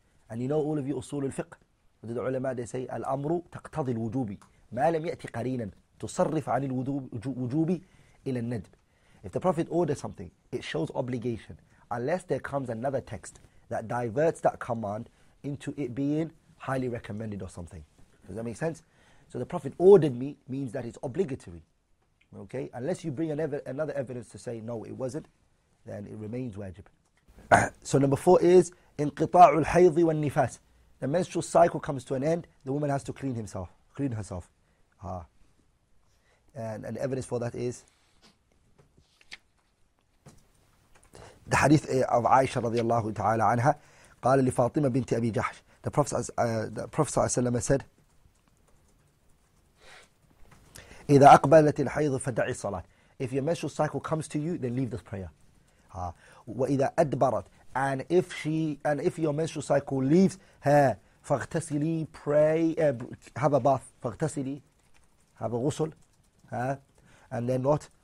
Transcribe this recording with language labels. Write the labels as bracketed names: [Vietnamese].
[English] And you know all of you, [Arabic] أصول الفقه, [English] what the ulama, they say, [Arabic] الأمر تقتضي الوجوبي ما لم يأتي قرينا تصرف عن الوجوبي إلى الندب. [English] If the Prophet orders something, it shows obligation. Unless there comes another text that diverts that command into it being highly recommended or something. Does that make sense? So the Prophet ordered me means that it's obligatory. Okay? Unless you bring another evidence to say, no, it wasn't, then it remains wajib. So number four is [Arabic] انقطاع الحيض والنفاس. [English] The menstrual cycle comes to an end, the woman has to clean herself. And the evidence for that is The hadith of Aisha radiallahu ta'ala anha, [Arabic] قال لفاطمة بنت أبي جحش. [English] The Prophet [Arabic] صلى الله عليه وسلم [English] said, [Arabic] إذا أقبلت الحيض فدعي الصلاة. [English] If your menstrual cycle comes to you, then leave this prayer. [Arabic] وإذا أدبرت, [English] and if she, and if your menstrual cycle leaves her, [Arabic] فاغتسلي, [English] pray, have a bath, فاغتسلي, have a غسل, and then what?